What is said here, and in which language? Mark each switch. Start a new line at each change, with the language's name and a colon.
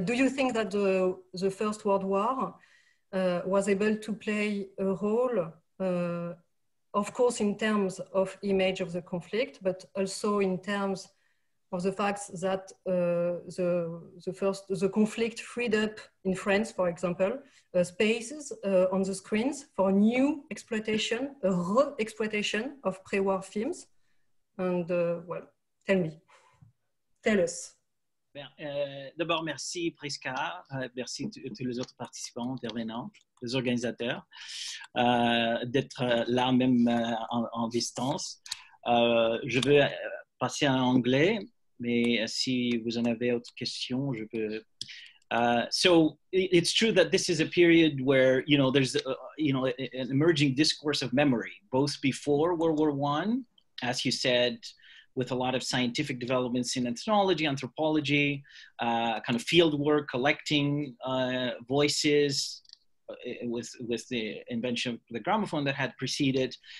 English: Do you think that the First World War was able to play a role, of course, in terms of image of the conflict, but also in terms of the fact that the conflict freed up in France, for example, spaces on the screens for new exploitation, a re-exploitation of pre-war films? And well, tell me, tell us.
French: D'abord, merci Prisca, merci à tous les autres participants, intervenants, les organisateurs, d'être là même en distance. Je veux passer en anglais, mais si vous en avez autre question, je peux.
English: So it's true that this is a period where, you know, there's an emerging discourse of memory, both before World War I, as you said, with a lot of scientific developments in ethnology, anthropology, kind of field work, collecting voices with the invention of the gramophone that had preceded.